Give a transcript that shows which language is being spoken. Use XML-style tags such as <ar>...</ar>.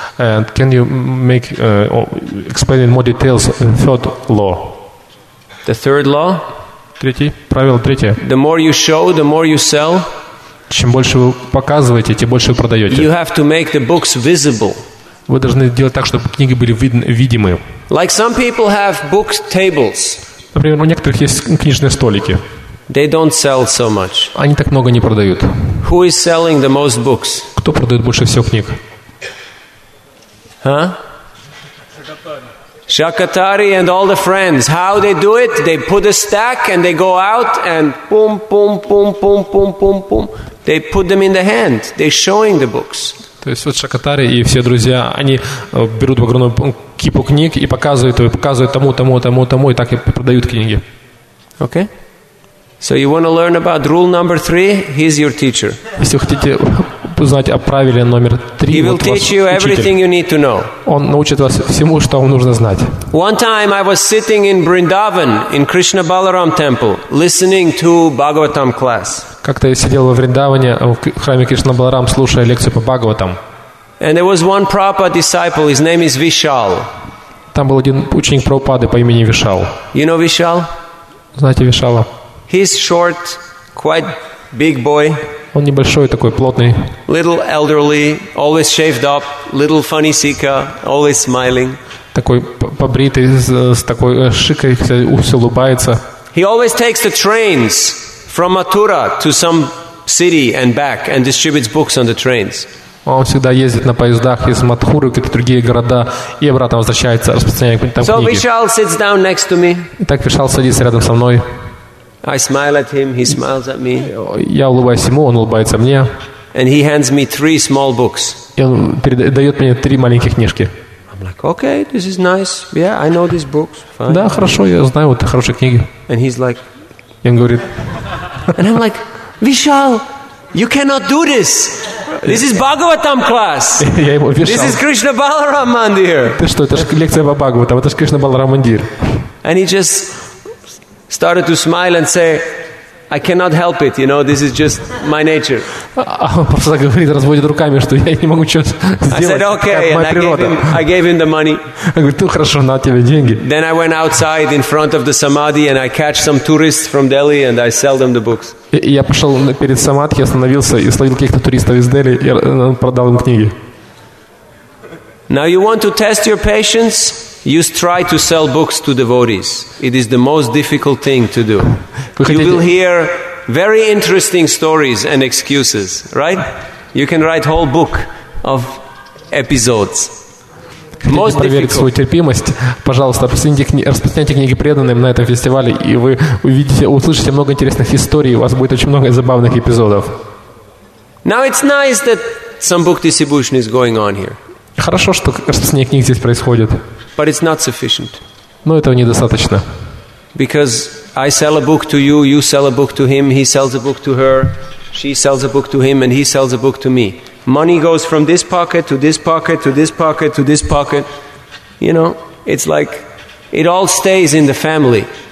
<en>And can you make explain in more details the third law? The third law.</en> <ru>Третье правило, третье.</ru> <en>The more you show, the more you sell.</en> <ru>Чем больше вы показываете, тем больше вы продаете.</ru> <en>You have to make the books visible.</en> <ru>Вы должны делать так, чтобы книги были видимы.</ru> <en>Like some people have book tables.</en> <ru>Например, у некоторых есть книжные столики.</ru> <en>They don't sell so much.</en> <ru>Они так много не продают.</ru> <en>Who is selling the most books?</en> <ru>Кто продает больше всего книг?</ru> <en>Huh? Shakatari and all the friends. How they do it? They put a stack and they go out and boom, boom, boom, boom, boom, boom, boom. They put them in the hand. They're showing the books.</en> <ru>То есть вот Шакатари и все друзья, они берут огромную кипу книг и показывают тому, тому, тому, тому, и так и продают книги.</ru> <en>Okay. So you want to learn about rule number three? He's your teacher.</en> <ru>Если хотите узнать о правиле номер три.</ru> <en>He will teach you everything you need to know.</en> <ru>Он научит вас всему, что вам нужно знать.</ru> <en>One time I was sitting in Vrindavan in Krishna Balaram temple, listening to Bhagavatam class.</en> <ru>Как-то я сидел во Вриндаване в храме Кришна Баларам, слушая лекцию по Бхагаватам.</ru> <en>And there was one Prabhupada disciple. His name is Vishal.</en> <ru>Там был один ученик Прабхупады по имени Вишал.</ru> <en>You know Vishal?</en> <ru>Знаете Вишала?</ru> <en>He's short, quite big boy.</en> <ru>Он небольшой такой, плотный.</ru> <en>Little elderly, always shaved up, little funny sika, always smiling.</en> <ru>Такой побритый, с такой шикой, все улыбается.</ru> <en>He always takes the trains from Mathura to some city and back and distributes books on the trains.</en> <ru>Он всегда ездит на поездах из Матхуры в какие-то другие города и обратно возвращается, распространяя какие-то там книги.</ru> <en>So Vishal sits down next to me.</en> <ru>Так Вишал садится рядом со мной.</ru> <en>I smile at him, he smiles at me.</en> <ru>Я улыбаюсь ему, он улыбается мне.</ru> <en>And he hands me three small books.</en> <ru>И он дает мне три маленьких книжки.</ru> <en>I'm like, okay, this is nice. Yeah, I know these books. Fine.</en> <ru>Да, хорошо, я знаю, вот хорошие книги.</ru> <en>And he's like,</en> <ru>и он говорит,</ru> <en>and I'm like, Vishal, you cannot do this. This is Bhagavatam class.</en> <ru>Я ему Вишал.</ru> <en>This is Krishna Balaram Mandir.</en> <ru>Ты что, это же лекция по Бхагаватам, это же Кришна Баларам Мандир.</ru> <en>And he just started to smile and say, I cannot help it, you know, this is just my nature.</en> <ru>Просто говорит, разводит руками, что я не могу что-то сделать.</ru> <en>I said, okay, and I gave him the money.</en> <ru>Я говорю, ну хорошо, на тебе деньги.</ru> <en>Then I went outside in front of the Samadhi and I catch some tourists from Delhi and I sell them the books.</en> <ru>Я пошел перед Самадхи, остановился и словил каких-то туристов из Дели и продал им книги.</ru> <en>Now you want to test your patience? You try to sell books to devotees. It is the most difficult thing to do. You will hear very interesting stories and excuses, right? You can write whole book of episodes. Most difficult.</en> <ru>Свою терпимость, пожалуйста, распространяйте книги преданным на этом фестивале, и вы увидите, услышите много интересных историй, у вас будет очень много забавных эпизодов.</ru> <en>Now it's nice that some book distribution is going on here.</en> <ru>Хорошо, что распространение книг здесь происходит.</ru> <en>But it's not sufficient.</en> <ru>Но этого недостаточно.</ru> <en>Because I sell a book to you, you sell a book to him, he sells a book to her, she sells a book to him, and he sells a book to me. Money goes from this pocket to this pocket to this pocket to this pocket. You know, it's like it all stays in the family.</en>